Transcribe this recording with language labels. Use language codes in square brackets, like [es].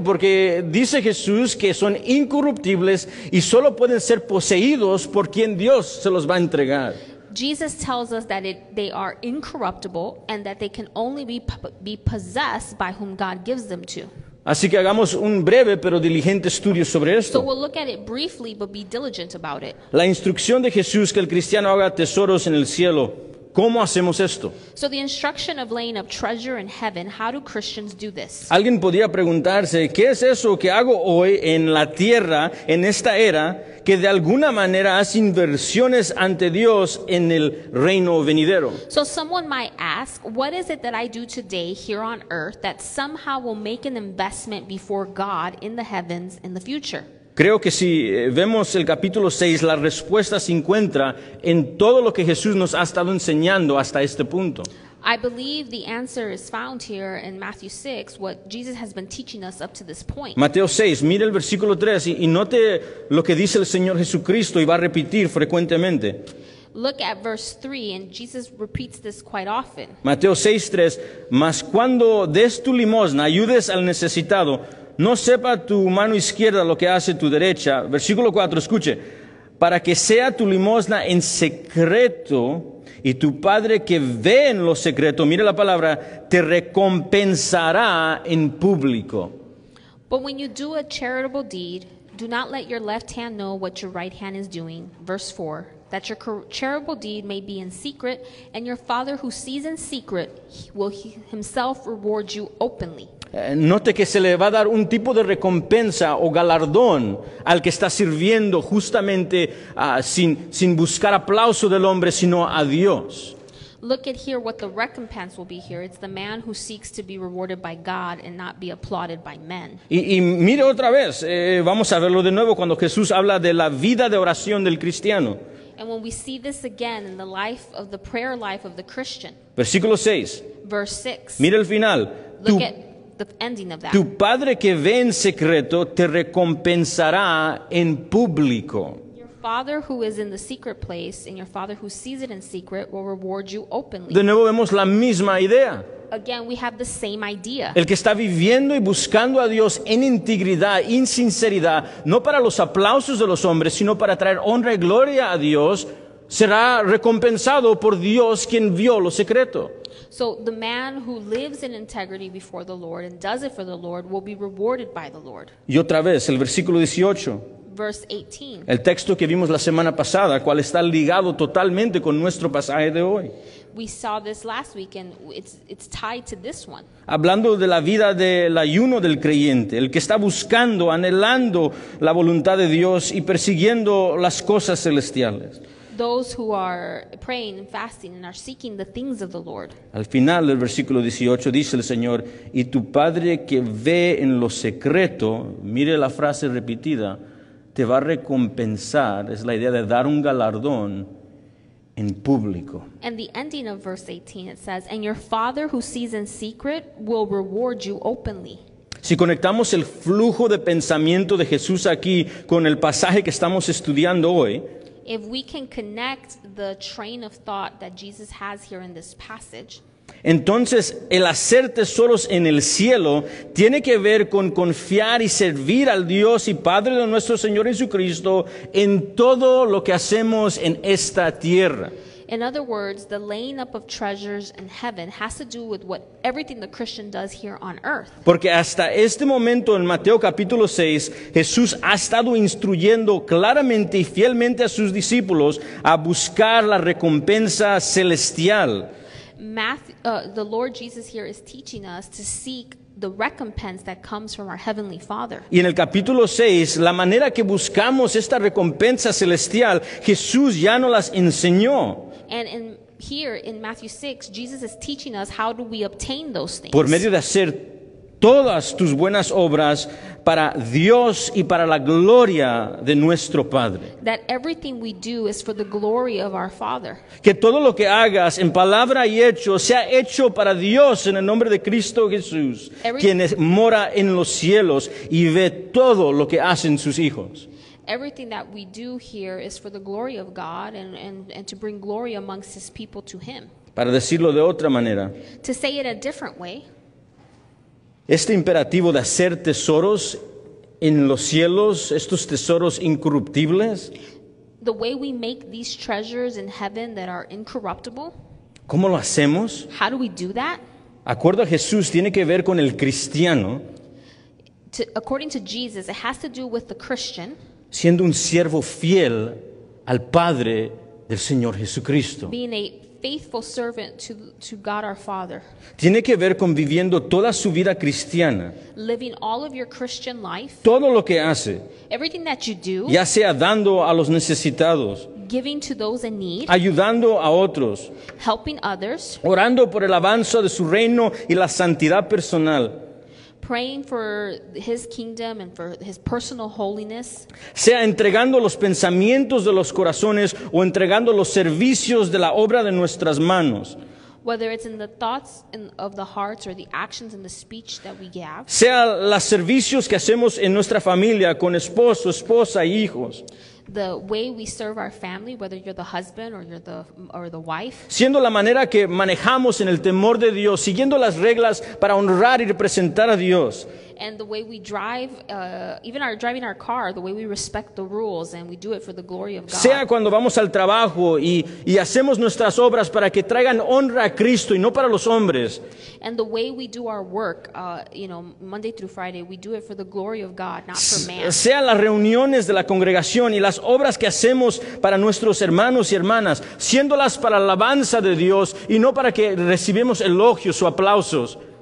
[es] Porque dice Jesús que son incorruptibles y solo pueden ser poseídos por quien Dios se los va a entregar. [en] Jesus tells us that they are incorruptible and that they can only be possessed by whom God gives them to. [es] Así que hagamos un breve pero diligente estudio sobre esto. [en] So we'll look at it briefly, but be diligent about it. [es] La instrucción de Jesús que el cristiano haga tesoros en el cielo. ¿Cómo hacemos esto? [en] So the instruction of laying up treasure in heaven, how do Christians do this? [es] Alguien podría preguntarse, ¿qué es eso que hago hoy en la tierra, en esta era, que de alguna manera hace inversiones ante Dios en el reino venidero? [en] So someone might ask, what is it that I do today here on earth that somehow will make an investment before God in the heavens in the future? [es] Creo que si vemos el capítulo 6, la respuesta se encuentra en todo lo que Jesús nos ha estado enseñando hasta este punto. [en] I believe the answer is found here in Matthew 6, what Jesus has been teaching us up to this point. [es] Mateo 6, mire el versículo 3 y note lo que dice el Señor Jesucristo y va a repetir frecuentemente. [en] Look at verse 3, and Jesus repeats this quite often. [es] Mateo 6, 3, mas cuando des tu limosna, ayudes al necesitado, no sepa tu mano izquierda lo que hace tu derecha. Versículo 4, escuche. Para que sea tu limosna en secreto, y tu padre que ve en lo secreto, mire la palabra, te recompensará en público. [en] But when you do a charitable deed, do not let your left hand know what your right hand is doing. Verse 4, that your charitable deed may be in secret, and your father who sees in secret will himself reward you openly. [es] Note que se le va a dar un tipo de recompensa o galardón al que está sirviendo justamente sin buscar aplauso del hombre, sino a Dios. [en] Look at here what the recompense will be here. It's the man who seeks to be rewarded by God and not be applauded by men. [es] Y mire otra vez, vamos a verlo de nuevo cuando Jesús habla de la vida de oración del cristiano. [en] And when we see this again in the life of the prayer life of the Christian. [es] Versículo 6. [en] Verse 6. [es] Mire el final. [en] The ending of that. [es] Tu padre que ve en secreto te recompensará en público. [en] Your father who is in the secret place and your father who sees it in secret will reward you openly. [es] De nuevo vemos la misma idea. [en] Again, we have the same idea. [es] El que está viviendo y buscando a Dios en integridad, en sinceridad, no para los aplausos de los hombres, sino para traer honra y gloria a Dios, será recompensado por Dios quien vio lo secreto. [en] So the man who lives in integrity before the Lord and does it for the Lord will be rewarded by the Lord. [es] Y otra vez, el versículo 18. [en] Verse 18. [es] El texto que vimos la semana pasada, cual está ligado totalmente con nuestro pasaje de hoy. [en] We saw this last week and it's tied to this one. [es] Hablando de la vida del ayuno del creyente, el que está buscando, anhelando la voluntad de Dios y persiguiendo las cosas celestiales. [en] Those who are praying and fasting and are seeking the things of the Lord. [es] Al final del versículo 18 dice el Señor, y tu padre que ve en lo secreto, mire la frase repetida, te va a recompensar, es la idea de dar un galardón en público. [en] And the ending of verse 18 it says, and your father who sees in secret will reward you openly. [es] Si conectamos el flujo de pensamiento de Jesús aquí con el pasaje que estamos estudiando hoy, [en] if we can connect the train of thought that Jesus has here in this passage, [es] entonces el hacer tesoros en el cielo tiene que ver con confiar y servir al Dios y Padre de nuestro Señor Jesucristo en todo lo que hacemos en esta tierra. [en] In other words, the laying up of treasures in heaven has to do with what everything the Christian does here on earth. [es] Porque hasta este momento en Mateo capítulo 6, Jesús ha estado instruyendo claramente y fielmente a sus discípulos a buscar la recompensa celestial. [en] The Lord Jesus here is teaching us to seek the recompense that comes from our heavenly Father. [es] Y en el capítulo 6, la manera que buscamos esta recompensa celestial, Jesús ya nos las enseñó. [en] And in here in Matthew 6, Jesus is teaching us how do we obtain those things. [es] Por medio de hacer todas tus buenas obras para Dios y para la gloria de nuestro Padre. [en] That everything we do is for the glory of our Father. [es] Que todo lo que hagas en palabra y hecho sea hecho para Dios en el nombre de Cristo Jesús, quien mora en los cielos y ve todo lo que hacen sus hijos. [en] Everything that we do here is for the glory of God and to bring glory amongst his people to him. [es] Para decirlo de otra manera. [en] To say it a different way. [es] Este imperativo de hacer tesoros en los cielos, estos tesoros incorruptibles. [en] The way we make these treasures in heaven that are incorruptible. [es] ¿Cómo lo hacemos? [en] How do we do that? [es] Acuerdo a Jesús, tiene que ver con el cristiano. [en] according to Jesus, it has to do with the Christian [es] siendo un siervo fiel al Padre del Señor Jesucristo. [en] Being a faithful servant to God our Father. [es] Tiene que ver con viviendo toda su vida cristiana. [en] Living all of your Christian life. [es] Todo lo que hace. [en] Everything that you do. [es] Ya sea dando a los necesitados. [en] Giving to those in need. [es] Ayudando a otros. [en] Helping others. [es] Orando por el avance de su reino y la santidad personal. [en] Praying for his kingdom and for his personal holiness. [es] Sea entregando los pensamientos de los corazones o entregando los servicios de la obra de nuestras manos. [en] Whether it's in the thoughts of the hearts or the actions and the speech that we give. [es] Sea los servicios que hacemos en nuestra familia con esposo, esposa y hijos. [en] The way we serve our family, whether you're the husband or you're the wife. [es] Siendo la manera que manejamos en el temor de Dios, siguiendo las reglas para honrar y representar a Dios. [en] And the way we drive, even our driving our car, the way we respect the rules and we do it for the glory of God. [es] Sea cuando vamos al trabajo y hacemos nuestras obras para que traigan honra a Cristo y no para los hombres. [en] And the way we do our work, Monday through Friday, we do it for the glory of God, not for man. [es] Sea las reuniones de la congregación y las obras que hacemos para nuestros hermanos y hermanas, siéndolas para la alabanza de Dios y no para que recibamos elogios o aplausos.